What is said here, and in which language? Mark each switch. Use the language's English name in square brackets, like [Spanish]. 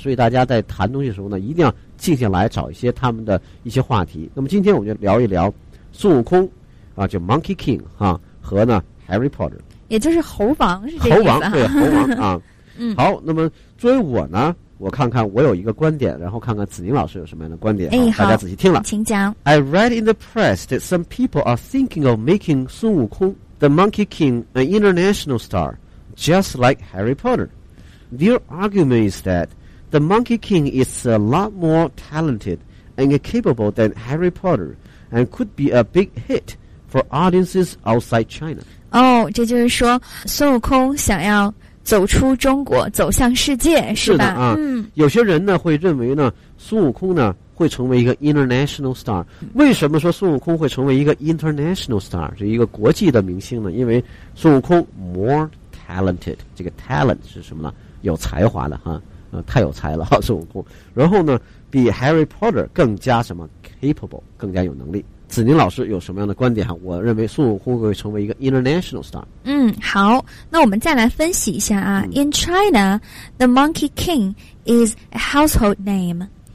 [Chinese] 所以大家在谈东西的时候呢，一定要。静下来找一些他们的一些话题。那么今天我们就聊一聊孙悟空啊，就 Monkey King 哈、啊、和呢 Harry Potter，也就是猴王，是这个猴王，对猴王啊。嗯，好，那么作为我呢，我看看我有一个观点，然后看看子宁老师有什么样的观点、哎啊、大家仔细听了，请讲。 [English] I read in the press that some people are thinking of making 孙悟空 the Monkey King an international star just like Harry Potter. Their argument is thatThe Monkey King is a lot more talented and capable than Harry Potter and could be a big hit for audiences outside China. [Chinese] 哦、oh, ，这就是说孙悟空想要走出中国走向世界是是的啊、嗯、有些人呢会认为呢孙悟空呢会成为一个 international star。为什么说孙悟空会成为一个 international star， 是一个国际的明星呢？因为孙悟空 more talented， 这个 talent 是什么呢？有才华的哈。太有才了，孙悟空。然后呢，比 Harry Potter 更加什么 capable， 更加有能力。子宁老师有什么样的观点哈？我认为孙悟空会成为一个 international star。嗯，好，那我们再来分析一下啊。 [English] 嗯、In China, the Monkey King is a household name.